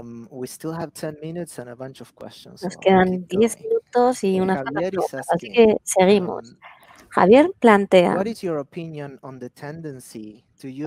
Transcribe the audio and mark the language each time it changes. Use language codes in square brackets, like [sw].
[en] We still have 10 minutes and a bunch of questions. [es] Nos quedan 10 minutos y unas preguntas, así que seguimos. Javier plantea, [en] what is your opinion on the tendency to use